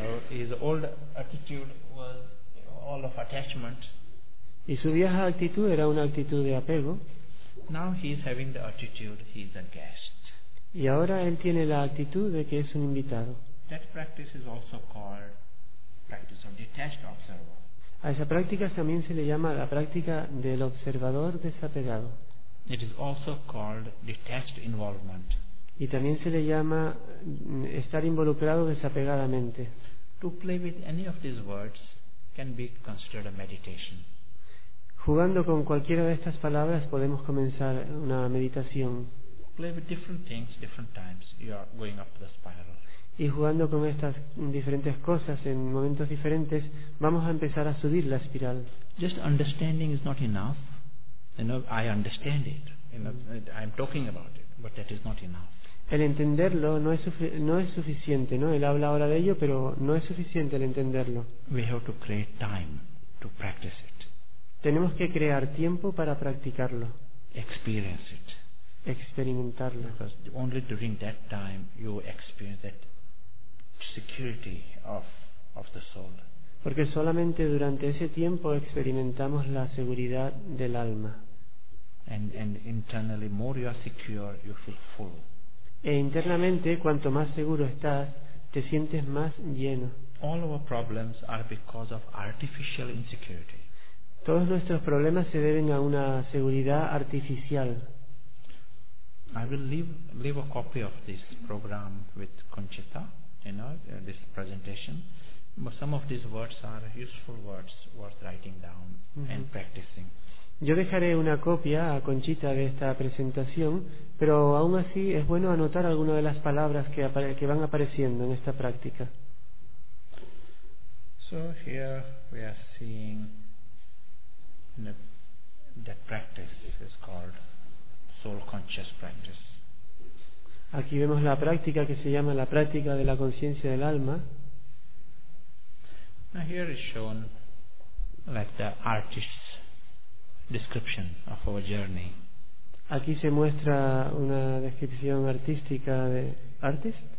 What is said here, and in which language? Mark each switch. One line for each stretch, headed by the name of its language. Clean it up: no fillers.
English: His old attitude was all of attachment.
Spanish: Y su vieja actitud era una actitud de apego.
English: Now he is having the attitude he is a guest.
Spanish: Y ahora él tiene la actitud de que es un invitado.
English: That practice is also called practice of detached observer.
Spanish: A esa práctica también se le llama la práctica del observador desapegado.
English: It is also called detached involvement.
Spanish: Y también se le llama estar involucrado desapegadamente.
English: To play with any of these words can be considered a meditation.
Spanish: Jugando con cualquiera de estas palabras podemos comenzar una meditación.
English: Play with different things, different times. You are going up the spiral.
Spanish: Y jugando con estas diferentes cosas en momentos diferentes, vamos a empezar a subir la espiral.
English: Just understanding is not enough. I understand it. I'm talking about it, but that is not enough.
Spanish: El entenderlo no es suficiente, ¿no? Él habla ahora de ello, pero no es suficiente el entenderlo.
English: We have to create time to practice it.
Spanish: Tenemos que crear tiempo para practicarlo.
English: Experience it.
Spanish: Experimentarlo.
English: Because only during that time you experience that. Security of the soul.
Spanish: Porque solamente durante ese tiempo experimentamos la seguridad del alma.
English: And internally, more you are secure, you feel full.
Spanish: E internamente, cuanto más seguro estás, te sientes más lleno.
English: All our problems are because of artificial insecurity.
Spanish: Todos nuestros problemas se deben a una seguridad artificial.
English: I will leave a copy of this program with Conchita. This presentation, but some of these words are useful words worth writing down and practicing.
Spanish: Yo dejaré una copia a Conchita de esta presentación, pero aún así es bueno anotar algunas de las palabras que van apareciendo en esta práctica.
English: So here we are seeing that practice is called soul conscious practice.
Spanish: Aquí vemos la práctica que se llama la práctica de la conciencia del alma.
English: Now here is shown like the artist's description of our journey.
Spanish: Aquí se muestra una descripción artística de artist.